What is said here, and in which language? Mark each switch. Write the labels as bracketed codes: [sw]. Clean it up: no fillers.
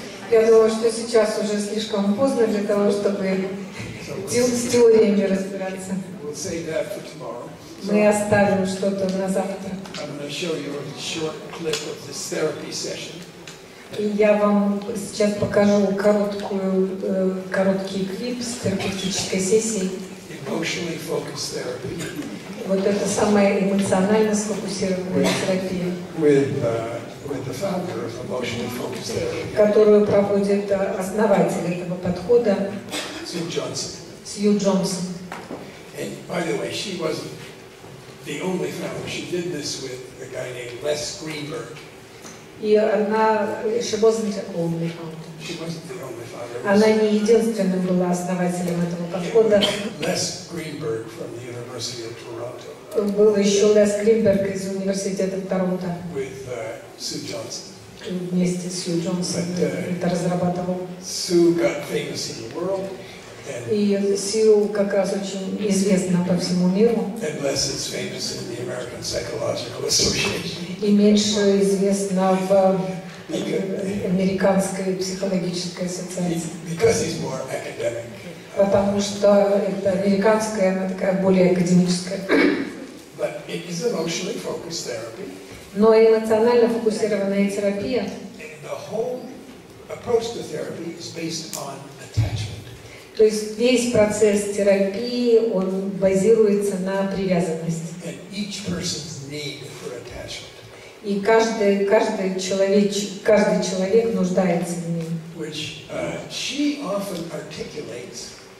[ru] Я думаю, что сейчас уже слишком поздно для того, чтобы с теориями разбираться. [en] We'll save that for tomorrow. [ru] Мы оставим что-то на завтра. [en] I'm going to show you a short clip of this therapy session. [ru] И я вам сейчас покажу короткий клип с терапевтической сессией. [en] Emotionally focused therapy. [ru] Вот это самая эмоционально сфокусированная терапия. [en] With the founder of emotionally focused therapy. [ru] Которую проводит основатель этого подхода. [en] Sue Johnson. Sue Johnson. And by the way, she wasn't the only founder. She did this with a guy named Les Greenberg. [ru] И она, [en] she wasn't the only founder. She wasn't the only founder. [ru] Она не единственным была основателем этого подхода. [en] Les Greenberg from the University of Toronto. [ru] Был еще Les Greenberg из университета Торонто. [en] With Sue Johnson. [ru] Вместе с Sue Johnson это разрабатывал. [en] Sue got famous in the world. [ru] И Sue как раз очень известна по всему миру. [en] And Les is famous in the American Psychological Association. [ru] И меньше известна в американской психологической ассоциации. [en] Because he's more academic. [ru] Потому что это американская, она такая более академическая. [en] But it is emotionally focused therapy. [ru] Но эмоционально фокусированная терапия. [en] The whole approach to therapy is based on attachment. [ru] То есть весь процесс терапии, он базируется на привязанности. [en] And each person's need for attachment. [ru] И каждый человек нуждается в ней. [en] Which she often articulates.